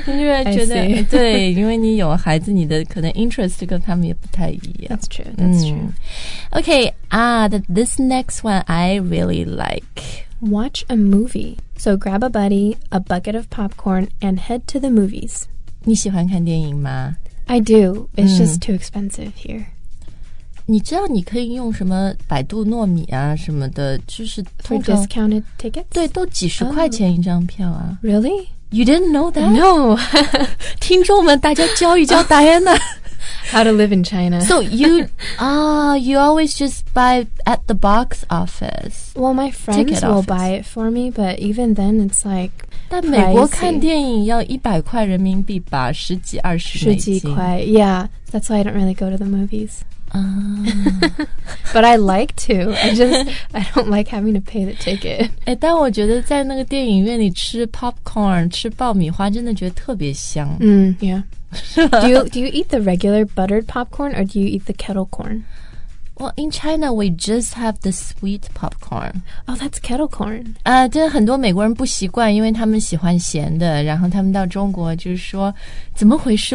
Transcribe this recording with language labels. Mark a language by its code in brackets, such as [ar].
[zh] 因为觉得对因为你有孩子你的可能 interest 跟他们也不太一样。 [en] That's true, that's true. Okay, this next one I really like. Watch a movie. So grab a buddy, a bucket of popcorn, and head to the movies. [zh] 你喜欢看电影吗? [en] I do. It's just too expensive here. [zh] 你知道你可以用什么百度糯米啊什么的就是通常 [en] For discounted tickets? [zh] 对都几十块钱一张票啊、 [en] oh, Really? You didn't know that? No [zh] 听众们大家教一教 Diana [en] How to live in China So you always just buy at the box office Well my friends will office. Buy it for me But even then it's like [zh] 但美国看电影要100块人民币吧十几二十美金十几块 [en] Yeah That's why I don't really go to the moviesBut I like to. I don't like having to pay the ticket. [zh] 哎，但我觉得在那个电影院里吃 popcorn, 吃爆米花真的觉得特别香。 [en] Yeah. Do you eat the regular buttered popcorn or do you eat the kettle corn? Well, in China, we just have the sweet popcorn. Oh, that's kettle corn. [zh] 这很多美国人不习惯，因为他们喜欢咸的。然后他们到中国就是说，怎么回事？